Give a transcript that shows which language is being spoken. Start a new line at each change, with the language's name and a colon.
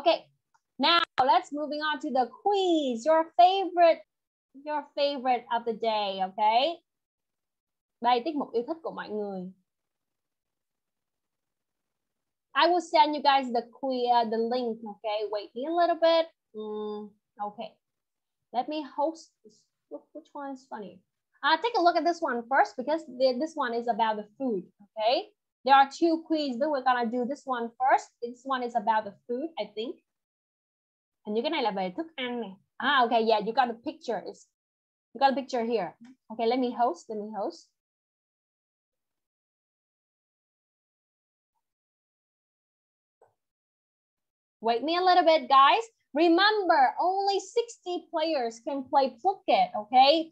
English: Okay, now let's moving on to the quiz. Your favorite of the day, okay?
Vietnamese: Đây, tiết mục yêu thích của mọi người.
English: I will send you guys the link, okay? Wait me a little bit. Okay, let me host this. Which one is funny? Take a look at this one first, because this one is about the food, okay? There are two quizzes, but we're gonna do this one first. This one is about the food, I think. And you can
Vietnamese: này là về thức ăn này.
English: Ah, okay, yeah, you got the picture. You got a picture here. Okay, let me host. Wait me a little bit, guys. Remember, only 60 players can play Phuket, okay?